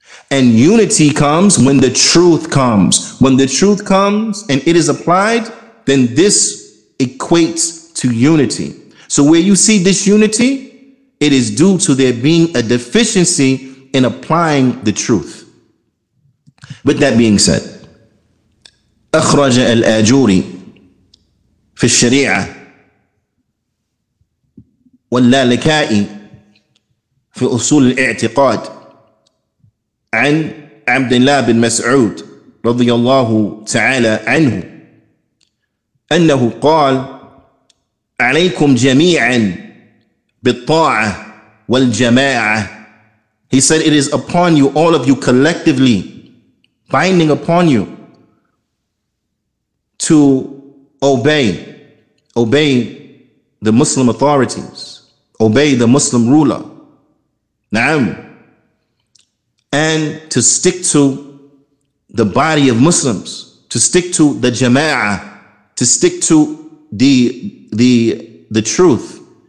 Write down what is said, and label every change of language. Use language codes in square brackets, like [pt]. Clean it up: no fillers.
[en] And unity comes when the truth comes. When the truth comes and it is applied, then this equates to unity. So where you see disunity, it is due to there being a deficiency in applying the truth. With that being said, [ar] أخرج الآجوري في الشريعة واللالكائي في أصول الاعتقاد عن عبد الله بن مسعود رضي الله تعالى عنه أنه قال عليكم جميعا بالطاعة والجماعة. [en] He said, it is upon you, all of you collectively, binding upon you to obey the Muslim authorities, obey the Muslim ruler, na'am, and to stick to the body of Muslims, to stick to the jama'ah, to stick to the truth,